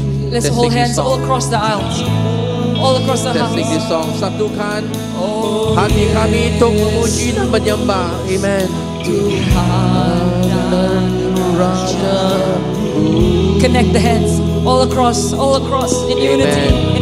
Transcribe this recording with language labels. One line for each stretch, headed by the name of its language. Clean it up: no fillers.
English: Let's hold hands all across the aisles, all across the house. Let's sing this song.
Indonesian: Satukan hati kami untuk memuji dan menyembah.
English: Amen. Connect the hands all across in unity, amen.